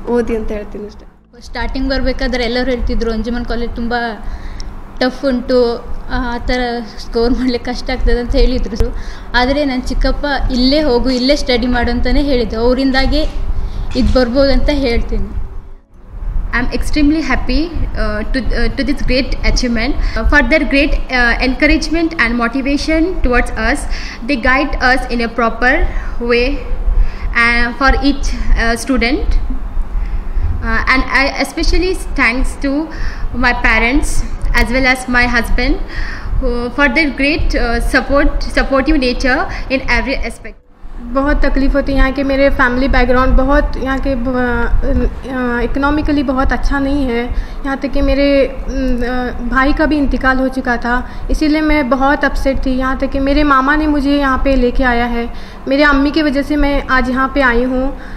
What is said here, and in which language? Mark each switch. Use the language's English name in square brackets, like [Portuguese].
[Kannada] ಓದಿ ಅಂತ ಹೇಳ್ತೀನಿ ಅಷ್ಟೆ. ಸ್ಟಾರ್ಟಿಂಗ್ ಬರಬೇಕಾದ್ರೆ ಎಲ್ಲರೂ ಹೇಳ್ತಿದ್ರು ಅಂಜುಮನ್ ಕಾಲೇಜ್ ತುಂಬ ಟಫ್ ಉಂಟು, ಆ ಥರ ಸ್ಕೋರ್ ಮಾಡಲಿಕ್ಕೆ ಕಷ್ಟ ಆಗ್ತದೆ ಅಂತ ಹೇಳಿದ್ರು. ಆದರೆ ನನ್ನ ಚಿಕ್ಕಪ್ಪ ಇಲ್ಲೇ ಹೋಗು ಇಲ್ಲೇ ಸ್ಟಡಿ ಮಾಡು ಅಂತಲೇ ಹೇಳಿದ್ದು, ಅವರಿಂದಾಗಿ ಇದು ಬರ್ಬೋದು ಅಂತ ಹೇಳ್ತೀನಿ. [English] I am extremely happy to this great achievement. For their great encouragement and motivation towards us, they guide us in a proper way for each student. And I especially thanks to my parents as well as my husband for their great supportive nature in every aspect. [Hindi] बहुत तकलीफ़ होती है यहाँ के, मेरे family background बहुत यहाँ के इकोनॉमिकली बहुत अच्छा नहीं है, यहाँ तक कि मेरे भाई का भी इंतकाल हो चुका था, इसीलिए मैं बहुत अपसेट थी. यहाँ तक कि मेरे मामा ने मुझे यहाँ पे लेके आया है, मेरे अम्मी की वजह से मैं आज यहाँ पे आई हूँ.